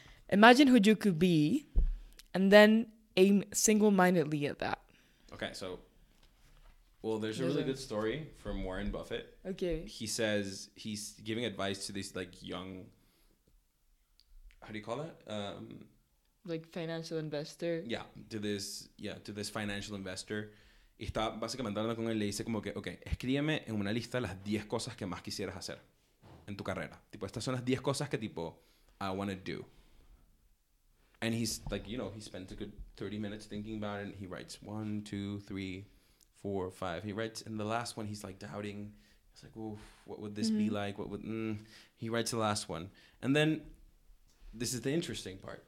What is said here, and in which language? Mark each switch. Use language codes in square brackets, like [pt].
[en] Imagine who you could be and then aim single-mindedly at that. Okay, so, well, there's a really good story from Warren Buffett. Okay. He says he's giving advice to this, like, young, how do you call that? Like financial investor. Yeah, to this financial investor. [es] Y está básicamente hablando con él, le dice como que, okay, escríbeme en una lista las 10 cosas que más quisieras hacer en tu carrera. Tipo, estas son las 10 cosas que, tipo, [en] I want to do. And he's like, you know, he spends a good 30 minutes thinking about it. And he writes 1, 2, 3, 4, 5. He writes, and the last one, he's like doubting. He's like, oof, what would this be like? He writes the last one. And then this is the interesting part.